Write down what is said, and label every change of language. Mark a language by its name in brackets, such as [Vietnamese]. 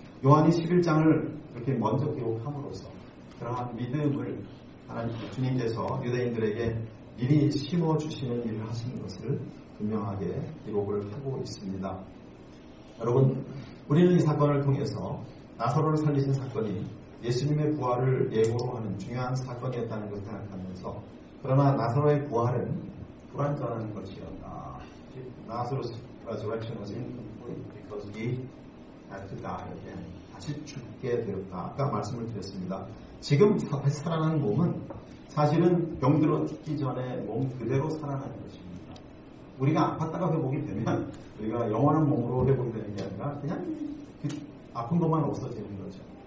[Korean] 요한이 11장을 이렇게 먼저 기록함으로써 그러한 믿음을 하나님 주님께서 유대인들에게 미리 심어주시는 일을 하시는 것을 분명하게 기록을 하고 있습니다. 여러분 우리는 이 사건을 통해서 나사로를 살리신 사건이 예수님의 부활을 예고하는 중요한 사건이었다는 것을 생각하면서 그러나 나사로의 부활은 불완전한 것이었다. [English] Lazarus resurrection was incomplete because he had to die again. [Korean] 다시 죽게 되었다. 아까 말씀을 드렸습니다. 지금 살아난 몸은 사실은 병들어 죽기 전에 몸 그대로 살아난 것입니다. 우리가 아팠다가 회복이 되면 우리가 영원한 몸으로 회복이 되는 게 아니라 그냥 그 아픈 것만 없어지는 거죠.